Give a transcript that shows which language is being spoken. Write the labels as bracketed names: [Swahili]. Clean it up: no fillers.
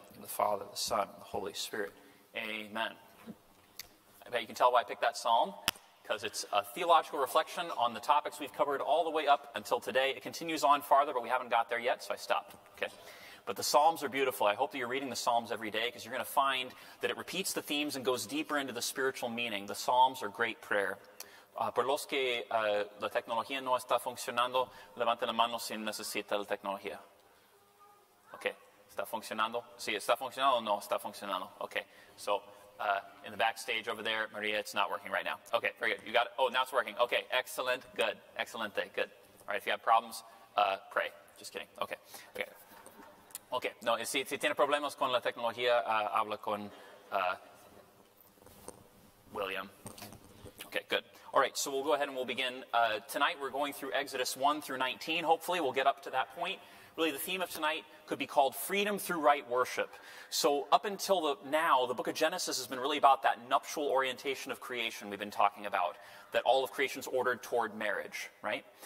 [English] In the Father, the Son, and the Holy Spirit. Amen. I bet you can tell why I picked that psalm, because it's a theological reflection on the topics we've covered all the way up until today. It continues on farther, but we haven't got there yet, so I stopped. Okay. But the psalms are beautiful. I hope that you're reading the psalms every day, because you're going to find that it repeats the themes and goes deeper into the spiritual meaning. The psalms are great prayer. [Spanish] Por los que la tecnología no está funcionando, levante la mano si necesita la tecnología. Okay, está funcionando? Sí, está funcionando o no está funcionando? [English] Okay, so in the backstage over there, Maria, it's not working right now. Okay, very good. You got it? Oh, now it's working. Okay, excellent. Good. Excelente. Good. All right, if you have problems, pray. Just kidding. Okay. Okay. Okay. [Spanish] No, si tiene problemas con la tecnología, habla con William. [English] Okay, good. All right, so we'll go ahead and we'll begin. Tonight we're going through Exodus 1 through 19. Hopefully we'll get up to that point. Really, the theme of tonight could be called freedom through right worship. So up until now, the book of Genesis has been really about that nuptial orientation of creation we've been talking about, that all of creation's ordered toward marriage, right?